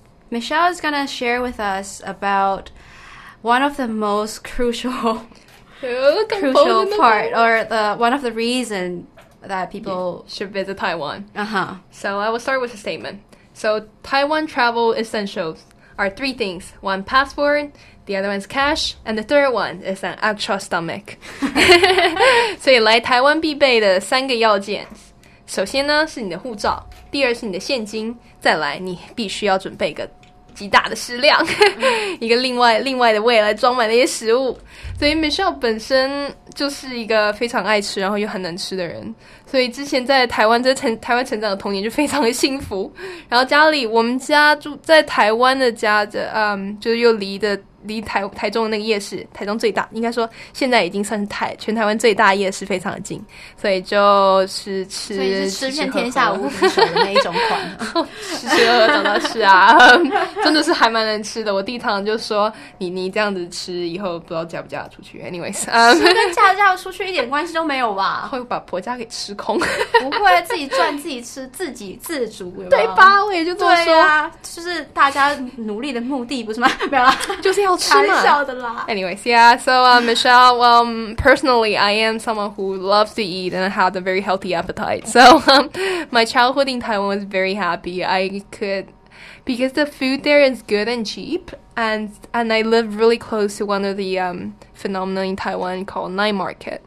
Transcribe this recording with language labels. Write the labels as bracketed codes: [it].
[en] Michelle is going to share with us about one of the most crucial, crucial part, or the one of the reasons that people should visit Taiwan. Uh-huh. So I will start with a statement. So Taiwan travel essentials are three things. One, passport, the other one's cash, and the third one is an actual stomach. [zh] 所以来台湾必备的三个要件。首先呢是你的护照，第二是你的现金，再来你必须要准备个极大的食量，一个另外的胃来装满那些食物。所以 Michelle 本身就是一个非常爱吃然后又很能吃的人，所以之前在台湾成长的童年就非常的幸福。然后家里，我们家住在台湾的家的就是又离台中的那个夜市，台中最大，应该说现在已经算是全台湾最大夜市，非常的近，所以就是吃，所以是吃遍天下无敌手的那一种款，吃吃喝喝都能吃啊，真的是还蛮能吃的。我弟常常就说你这样子吃以后不知道嫁不嫁得出去 ， [en] anyways， [zh] 吃跟嫁出去一点关系都没有吧？会把婆家给吃空？不会，自己赚自己吃，自给自足，有没有？对吧？我也就这么说，对啊，就是大家努力的目的不是吗？没有啦，就是。要吃嘛。 [en] Anyways, yeah, so Michelle, well, personally, I am someone who loves to eat and has a very healthy appetite. So my childhood in Taiwan was very happy. I could, because the food there is good and cheap, and I live really close to one of the phenomena in Taiwan called night market.